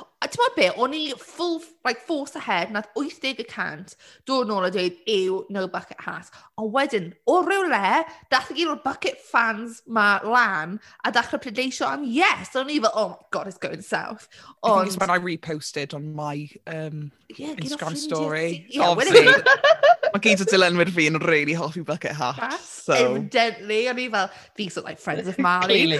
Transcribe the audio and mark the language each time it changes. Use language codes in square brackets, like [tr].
[cy] A ti'n meddwl beth, o'n i [en] full, like, force ahead, [cy] nath 80% dod nôl a dweud, ew, [en] no bucket hat. [cy] Ond wedyn, o rywle, dath gyd o'r [en] bucket fans [cy] ma lan a dachrau pleidleisio am [en] yes. [cy] O'n i fel, [en] oh my god, it's going south. [cy] Ond, [en] I think it's when I reposted on my Instagram story. Yeah, obviously. [cy] Mae gyd o dylenwyr fi yn [en] really [cy] hoffi [en] bucket hat. That's so. Evidently, [cy] o'n i fel, [en] these are like friends of Marley.